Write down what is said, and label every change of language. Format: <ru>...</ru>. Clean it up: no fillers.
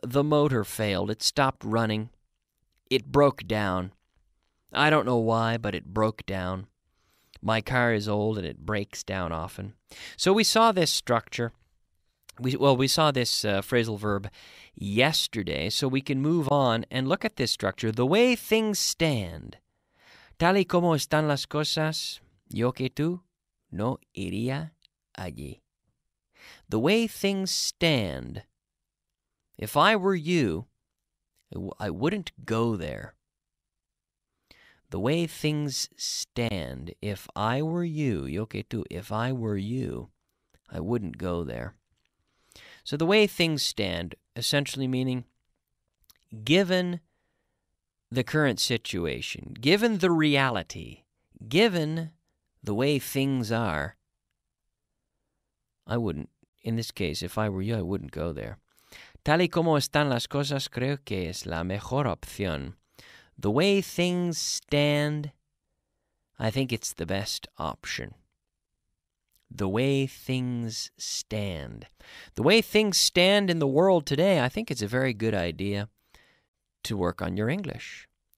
<en>The motor failed. It stopped running. It broke down. I don't know why, but it broke down. My car is old and it breaks down often. So we saw this structure. We saw this phrasal verb yesterday. So we can move on and look at this structure. The way things stand.</en> <es>Tal y como están las cosas, yo que tú no iría allí.</es> <en>The way things stand, if I were you, I wouldn't go there. The way things stand, if I were you,</en> <es>yo que tú,</es> <en>if I were you, I wouldn't go there. So the way things stand, essentially meaning, given the current situation, given the reality, given the way things are, I wouldn't, in this case, if I were you, I wouldn't go there.</en> <es>Tal y como están las cosas, creo que es la mejor opción.</es> <en>The way things stand, I think it's the best option. The way things stand. The way things stand in the world today, I think it's a very good idea to work on your English.</en>